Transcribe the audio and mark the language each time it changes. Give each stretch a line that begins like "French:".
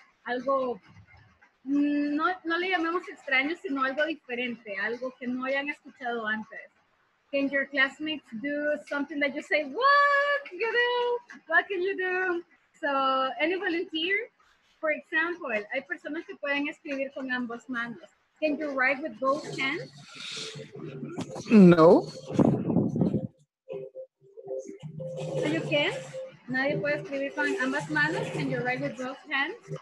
Spanish: Algo, no le llamemos extraño, sino algo diferente, algo que no hayan escuchado antes.
English: Can your classmates do something that you say, what, you know, what can you do? So, any volunteer? For example,
Spanish: hay personas que pueden escribir con ambos manos.
English: Can you write with both hands? No. So you can?
Spanish: Nadie puede escribir con ambas manos?
English: Can you write with both hands?